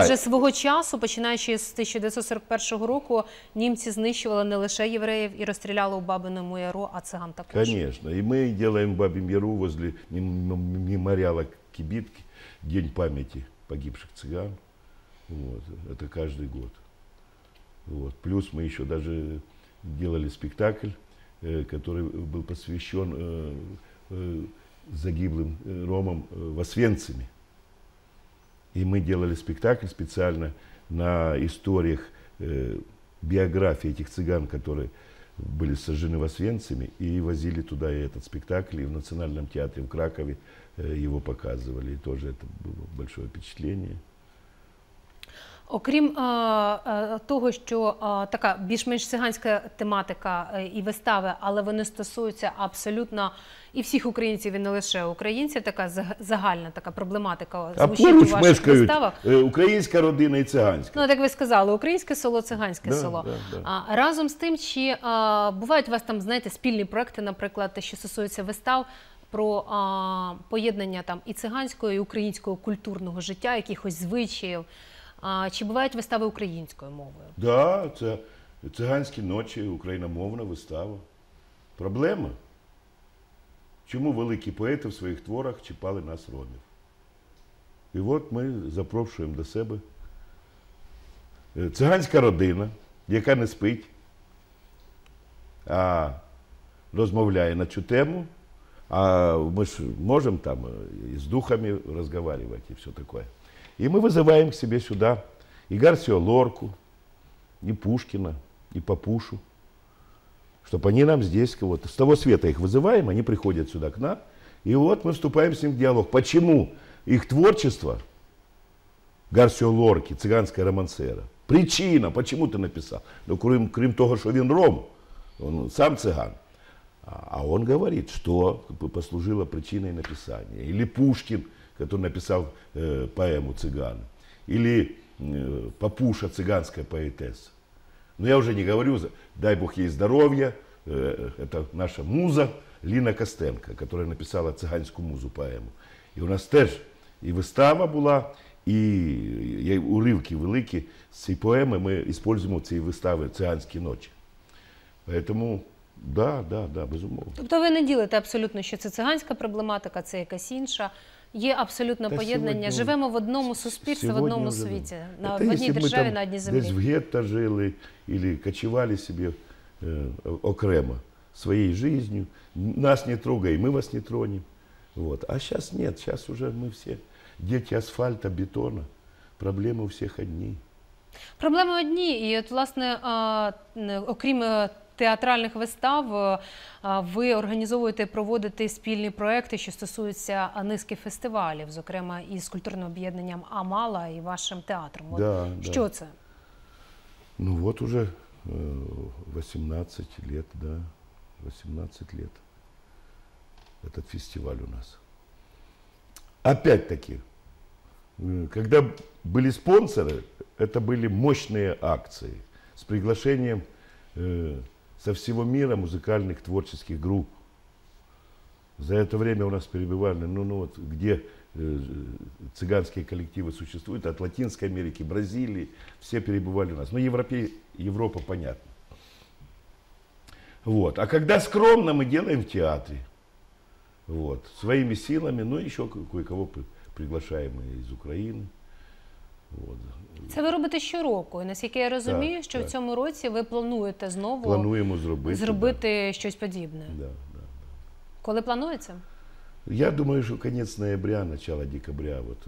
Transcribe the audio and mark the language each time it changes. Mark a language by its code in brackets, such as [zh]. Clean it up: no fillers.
[uk] Адже свого часу, починаючи з 1941 року, німці знищували не лише євреїв і розстріляли у Бабиному Яру, а циган також. [ru] Конечно. [uk] І ми робимо Бабин Яру [ru] возле [uk] меморіалу кибитки, День пам'яті погибших циган. [ru] Вот. Это каждый год. Вот. Плюс мы еще даже делали спектакль, который был посвящен загиблым ромам в Освенциме. И мы делали спектакль специально на историях биографии этих цыган, которые были сожжены в Освенциме, и возили туда и этот спектакль, и в Национальном театре в Кракове его показывали. И тоже это было большое впечатление. [uk] Окрім того, що така більш-менш циганська тематика і вистави, але вони стосуються абсолютно і всіх українців, і не лише українців, така загальна така проблематика звучить у ваших мешкають виставах. Українська родина і циганська. Ну, так ви сказали, українське село, циганське да, село. [ru] Да. [uk] Разом з тим, чи бувають у вас там, знаєте, спільні проекти, наприклад, те, що стосується вистав, про поєднання там і циганського, і українського культурного життя, якихось звичаїв. Чи бувають вистави українською мовою? Так, да, це циганські ночі, україномовна вистава. Проблема. Чому великі поети в своїх творах чіпали нас, ромів? І от ми запрошуємо до себе циганська родина, яка не спить, а розмовляє на цю тему. А ми ж можемо там з духами розмовляти і все таке. [ru] И мы вызываем к себе сюда и Гарсио Лорку, и Пушкина, и Папушу, чтобы они нам здесь, вот, с того света их вызываем, они приходят сюда к нам, и вот мы вступаем с ним в диалог. Почему их творчество, Гарсио Лорки, «Цыганская романсера», причина, почему ты написал? Ну, кроме того, что он ром, он сам цыган. А он говорит, что послужило причиной написания. Или Пушкин, который написал поэму «Цыган», или Папуша, цыганская поэтесса. Но я уже не говорю, дай бог ей здоровья, это наша муза Лина Костенко, которая написала «Цыганскую музу» поэму. И у нас [uk] теж [ru] и выстава была, и урывки велики с этой поэмы мы используем [uk] у цей [ru] выставы «Цыганские ночи». Поэтому да, [uk] безумовно. Тобто ви не ділите абсолютно, що це циганська проблематика, це якась інша. Є абсолютно та поєднання. Сьогодні, живемо в одному суспільстві, в одному світі. На одній державі, на одній землі. Десь в гетто жили, або кочували собі окремо своєю життю. Нас не трогай, ми вас не тронемо. [ru] Вот. [uk] А зараз ні, зараз вже ми всі діти асфальта, бетону. Проблеми у всіх одні. Проблеми одні. І от, власне, окрім театральних вистав, ви організовуєте, проводите спільні проекти, що стосуються низки фестивалів, зокрема із культурним об'єднанням «Амала» і вашим театром. [ru] Да, [uk] що це? Ну, от уже [ru] 18 лет, да, 18 лет этот фестиваль у нас. Опять-таки, когда были спонсоры, это были мощные акции с приглашением со всего мира музыкальных творческих групп. За это время у нас перебывали, где цыганские коллективы существуют, от Латинской Америки, Бразилии, все перебывали у нас. Европа, понятно. Вот. А когда скромно мы делаем в театре, вот, своими силами, еще кое-кого приглашаем из Украины. Вот. [uk] Це ви робите щороку. І наскільки я розумію, так, що так. В цьому році ви плануєте знову зробити щось подібне. [ru] Да. [uk] Коли планується? Я думаю, що кінець [ru] ноября, [uk] початок [ru] декабря.